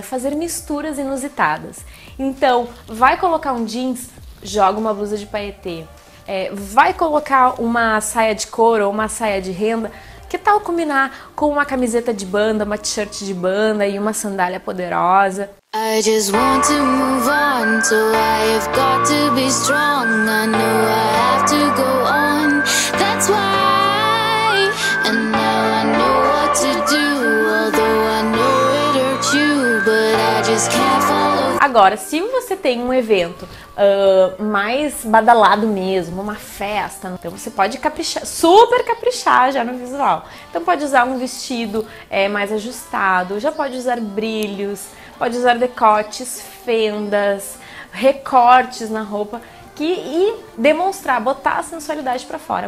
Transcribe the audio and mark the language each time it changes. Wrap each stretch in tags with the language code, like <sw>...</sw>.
<pt>Fazer misturas inusitadas. Então, vai colocar um jeans? Joga uma blusa de paetê. Vai colocar uma saia de couro ou uma saia de renda? Que tal combinar com uma camiseta de banda, uma t-shirt de banda e uma sandália poderosa?</pt> <en>I just want to move on, so I have got to be strong. I know I have to go on, that's why. And now I know what to do, although I know it hurts you, but I just can't follow.</en> <pt>Agora, se você tem um evento mais badalado mesmo, uma festa, então você pode caprichar, super caprichar já no visual. Então pode usar um vestido mais ajustado, já pode usar brilhos, pode usar decotes, fendas, recortes na roupa e demonstrar, botar a sensualidade pra fora.</pt>